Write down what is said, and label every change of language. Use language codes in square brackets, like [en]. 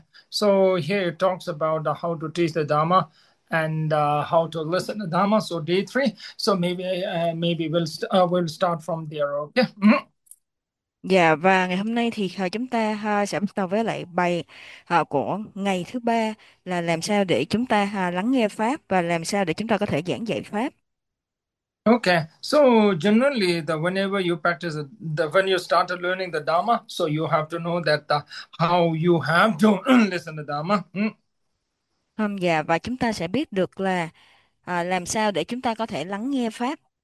[en] So here it talks about how to teach the Dhamma and how to listen to Dhamma. So day three. So maybe we'll start from there. Okay. [vi] Dạ, và ngày hôm nay thì chúng ta sẽ bắt đầu với lại bài của ngày thứ ba là làm sao để chúng ta lắng nghe Pháp và làm sao để chúng ta có thể giảng dạy Pháp. [en] Okay, so generally, whenever you practice, when you started learning the Dharma, so you have to know that how you have to listen to Dharma. [vi] Dạ, và chúng ta sẽ biết được là làm sao để chúng ta có thể lắng nghe Pháp.